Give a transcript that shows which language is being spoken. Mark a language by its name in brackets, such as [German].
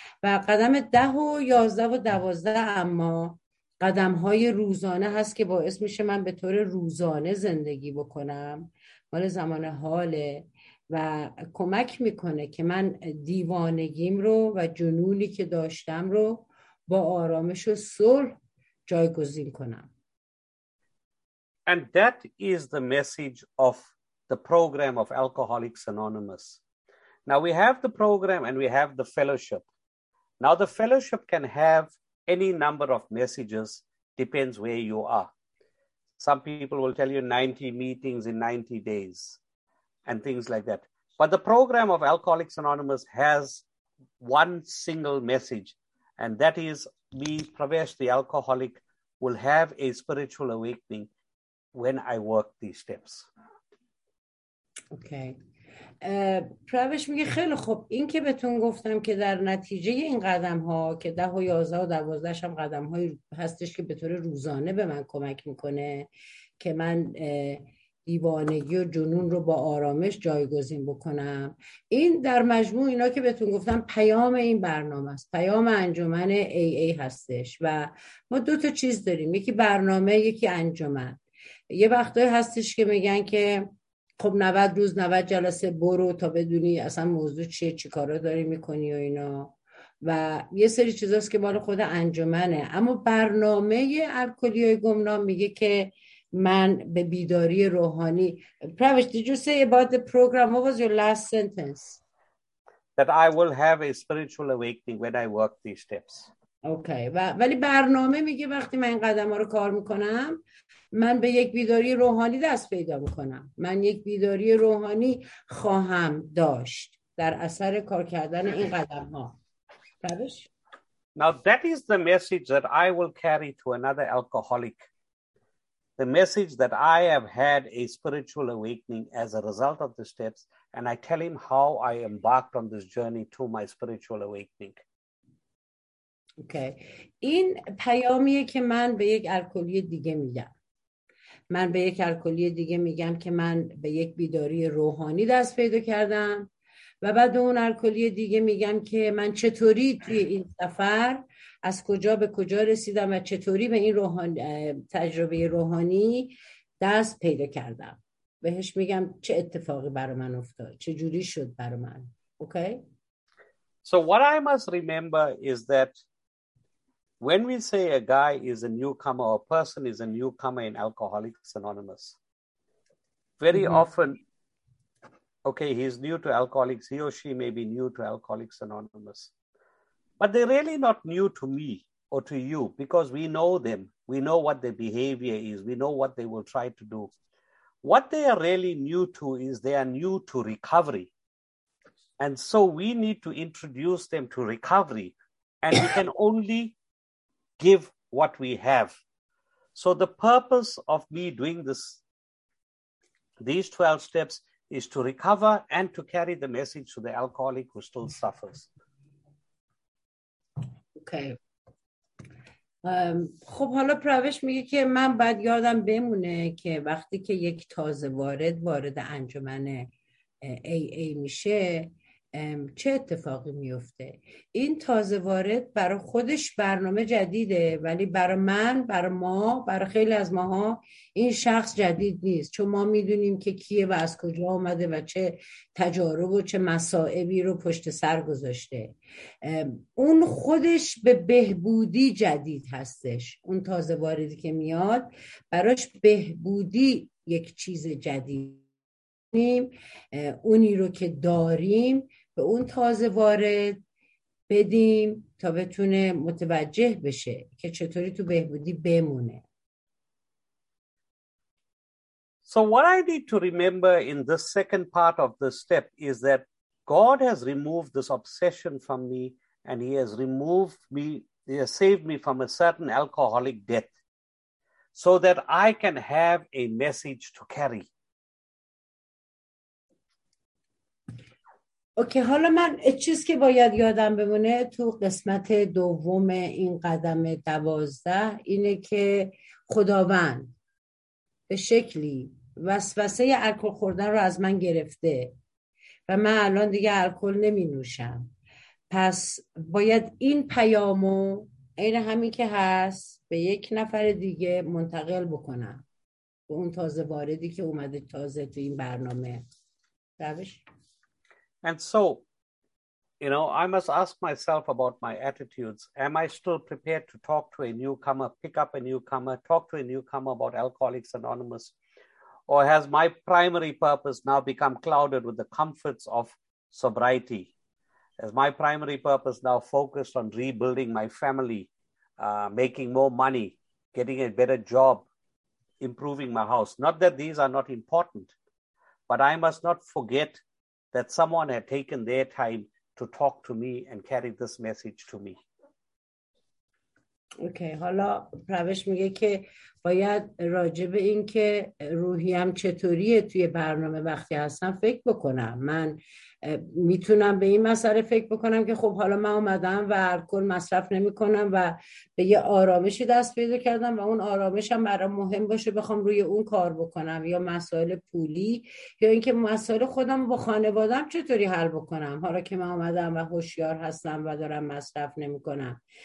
[Persian] و قدم 10 و 11 و 12 اما قدم های روزانه هست که باعث میشه من به طور روزانه زندگی بکنم، مال زمان حاله و کمک میکنه که من دیوانگیم رو و جنونی که داشتم رو با آرامش و صلح جایگزین کنم. [English] And that is the message of the program of Alcoholics Anonymous. Now we have the program and we have the fellowship. Now the fellowship can have any number of messages, depends where you are. Some people will tell you 90 meetings in 90 days and things like that. But the program of Alcoholics Anonymous has one single message, and that is me, Pravesh, the alcoholic, will have a spiritual awakening when I work these steps. Okay. [Persian] پروش میگه خیلی خوب، این که بهتون گفتم که در نتیجه این قدم ها که 10 و 11 و 12 هم قدم هایی هستش که به طور روزانه به من کمک میکنه که من دیوانگی و جنون رو با آرامش جایگزین بکنم، این در مجموع اینا که بهتون گفتم پیام این برنامه است، پیام انجمن AA هستش. و ما دو تا چیز داریم، یکی برنامه یکی انجمن. یه وقتایی هستش که میگن که خب 90 روز 90 جلسه برو تا بدونی اصلا موضوع چیه، چی کارا داری میکنی و اینا، و یه سری چیزاست که مال خود انجمنه. اما برنامه الکلی‌های گمنام میگه که من به بیداری روحانی. [English] پروش، did you say about the program? What was your last sentence? That I will have a spiritual awakening when I work these steps. Okay. [Persian] ولی برنامه میگه وقتی من این قدم ها رو کار میکنم من به یک بیداری روحانی دست پیدا میکنم، من یک بیداری روحانی خواهم داشت در اثر کار کردن این قدم ها. طبش؟ [English] Now that is the message that I will carry to another alcoholic. The message that I have had a spiritual awakening as a result of the steps, and I tell him how I embarked on this journey to my spiritual awakening. Okay. [Persian] این پیامیه که من به یک الکلی دیگه میگم. من به یک الکلی دیگه میگم که من به یک بیداری روحانی دست پیدا کردم، و بعد اون الکلی دیگه میگم که من چطوری توی این سفر از کجا به کجا رسیدم و چطوری به این تجربه روحانی دست پیدا کردم. بهش میگم چه اتفاقی برای من افتاد، چه جوری شد برای من. [English] Okay. So what I must remember is that when we say a guy is a newcomer or a person is a newcomer in Alcoholics Anonymous, very often, okay, he's new to alcoholics, he or she may be new to Alcoholics Anonymous, but they're really not new to me or to you, because we know them, we know what their behavior is, we know what they will try to do. What they are really new to is they are new to recovery. And so we need to introduce them to recovery, and we can only give what we have. So the purpose of me doing this, these 12 steps, is to recover and to carry the message to the alcoholic who still suffers. Okay. [Persian] خب حالا پروش میگه که من باید یادم بمونه که وقتی که یک تازه وارد انجمن AA میشه چه اتفاقی میفته. این تازه وارد برای خودش برنامه جدیده، ولی برای من، برای ما، برای خیلی از ماها این شخص جدید نیست، چون ما میدونیم که کیه و از کجا آمده و چه تجارب و چه مصائبی رو پشت سر گذاشته. اون خودش به بهبودی جدید هستش. اون تازه واردی که میاد براش بهبودی یک چیز جدید، اونی رو که داریم به اون تازه وارد بدیم تا بتونه متوجه بشه که چطوری تو بهبودی بمونه. [English] So what I need to remember in the second part of the step is that God has removed this obsession from me, and he has removed me, he has saved me from a certain alcoholic death, so that I can have a message to carry. [Persian] اوکی، حالا من چیزی که باید یادم بمونه تو قسمت دوم این قدم دوازده اینه که خداوند به شکلی وسوسه الکل خوردن رو از من گرفته و من الان دیگه الکل نمی نوشم. پس باید این پیامو این همین که هست به یک نفر دیگه منتقل بکنم، به اون تازه واردی که اومده تازه تو این برنامه. دوش؟ [English] And so, you know, I must ask myself about my attitudes. Am I still prepared to talk to a newcomer, pick up a newcomer, talk to a newcomer about Alcoholics Anonymous? Or has my primary purpose now become clouded with the comforts of sobriety. As my primary purpose now focused on rebuilding my family, making more money, getting a better job, improving my house. Not that these are not important, but I must not forget that someone had taken their time to talk to me and carry this message to me. [Persian] اوکی حالا روش میگه که باید راجع به این که روحیم چطوریه توی برنامه وقتی هستم فکر بکنم. من میتونم به این مسئله فکر بکنم که خب حالا من اومدم و الکل مصرف نمی کنم و به یه آرامشی دست پیدا کردم و اون آرامشم برای مهم باشه بخوام روی اون کار بکنم، یا مسائل پولی، یا اینکه مسائل خودم با خانوادم چطوری حل بکنم حالا که من اومدم و هوشیار هستم و دارم مصرف نمی کنم.